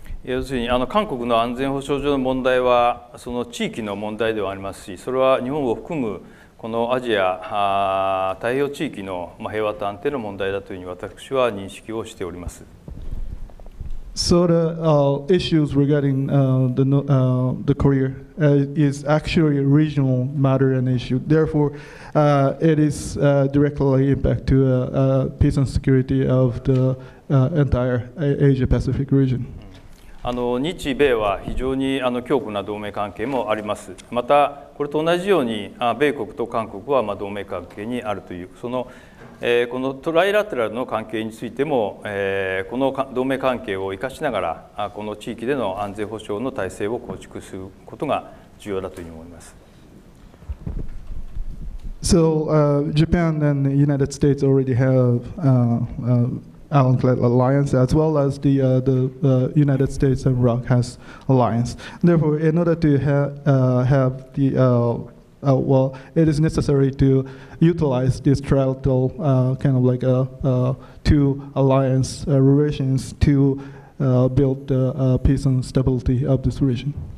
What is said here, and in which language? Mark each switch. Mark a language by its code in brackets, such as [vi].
[ja] 要するに韓国の安全保障上の問題はその地域の問題ではありますし、それは日本を含むこのアジア太平洋地域の平和と安定の問題だというふうに私は認識をしております。 [en] So the issues regarding the Korea is actually a regional matter and issue. Therefore, it is directly impact to peace and security of the entire Asia Pacific region. [ja] 日米は非常に強固な同盟関係もあります。またこれと同じように米国と韓国は同盟関係にあるというその、このトライラテラルの関係についても、この同盟関係を生かしながらこの地域での安全保障の体制を構築することが重要だというふうに思います。 [en] So, Japan and the United States already have, Allied alliance as well as the United States and Iraq has alliance. Therefore, in order to have the well, it is necessary to utilize this trilateral kind of like a two alliance relations to build peace and stability of this region.